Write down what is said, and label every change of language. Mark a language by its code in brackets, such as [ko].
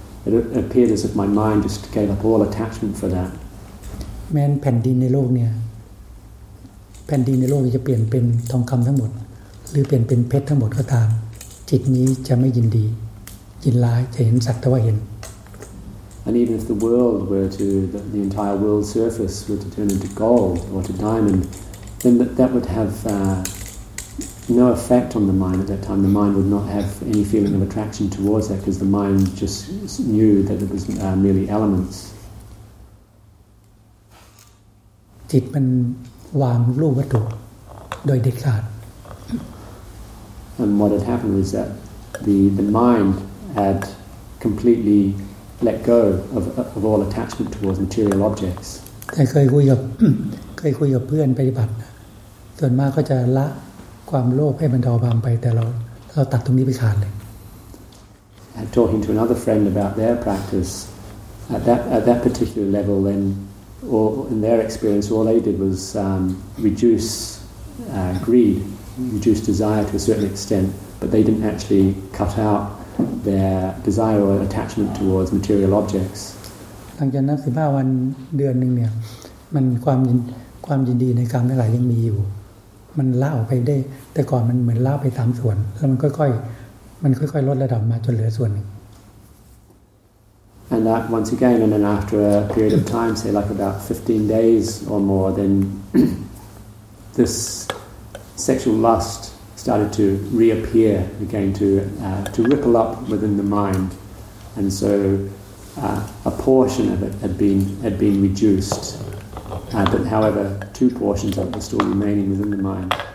[en] It appeared as if my mind just gave up all attachment for that. [th] แผ่นดินในโลกเนี่ยแผ่นดินในโลกจะเปลี่ยนเป็นทองคำทั้งหมดหรือเปลี่ยนเป็นเพชรทั้งหมดก็ตามจิตนี้จะไม่ยินดียินร้ายจะเห็นสักแต่ว่าเห็น [en] And even if the world were to the entire world surface were to turn into gold or to diamond, then that would have no effect on the mind at that time. The mind would not have any feeling of attraction towards that because the mind just knew that it was merely elements. [th] จิตมันวางรูปวัตถุโดยเด็ดขาด [en] And what had happened was that the mind had completely let go of all attachment towards material objects. [th] แต่เคยคุยกับเพื่อนปฏิบัติส่วนมากก็จะละความโลภให้มันเบาบางไปแต่เราตัดตรงนี้ไปขาดเลย [en] I'm talking to another friend about their practice at that particular level then or in their experience all they did was reduce greed reduce desire to a certain extent but they didn't actually cut out their desire or attachment towards material objects [th] หลังจากนั้น15วันเดือนนึงเนี่ยมันความยินดีในกามทั้งหลายยังมีอยู่มันเล่าไปได้แต่ก่อนมันเหมือนเล่าไปตามส่วนแล้วมันค่อยๆลดระดับมาจนเหลือส่วนหนึ่ง [en] And that once again, and then after a period of time, say like about 15 days or more, then this sexual lust started to reappear again, to ripple up within the mind. And so a portion of it had been reduced, but however, two portions of it were still remaining within the mind.